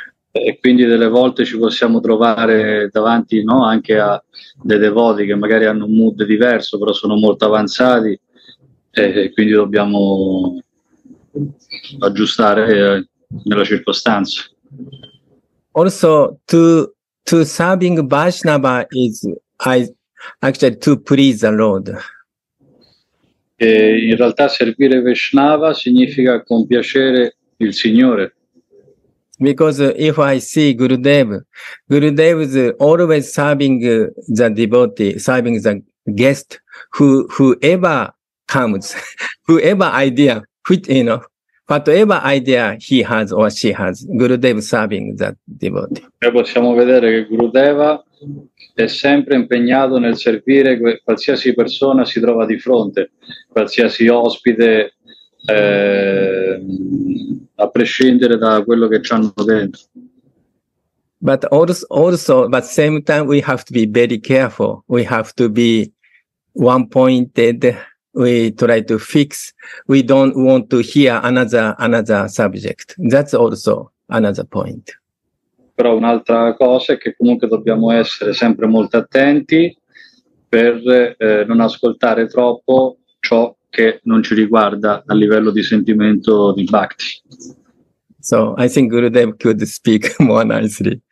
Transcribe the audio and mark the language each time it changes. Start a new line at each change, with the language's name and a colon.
Italian: E quindi delle volte ci possiamo trovare davanti, no, anche a dei devoti che magari hanno un mood diverso, però sono molto avanzati, e quindi dobbiamo aggiustare nella circostanza.
English: Also to serving Vaishnava is actually to please the Lord.
Italian: E in realtà servire Vaishnava significa compiacere il Signore.
English: Because if I see Gurudev is always serving the devotee, serving the guest whoever comes, whoever idea, which, you know, whatever idea he has or she has, Gurudev serving that devotee.
Italian: E possiamo vedere che Gurudeva è sempre impegnato nel servire qualsiasi persona si trova di fronte, qualsiasi ospite, a prescindere da quello che c'hanno dentro.
English: But also, but same time, we have to be very careful. We have to be one-pointed. We try to fix. We don't want to hear another subject. That's also another point.
Italian: Però un'altra cosa è che comunque dobbiamo essere sempre molto attenti per non ascoltare troppo ciò che non ci riguarda a livello di sentimento di bhakti.
English: So I think Gurudev could speak more nicely.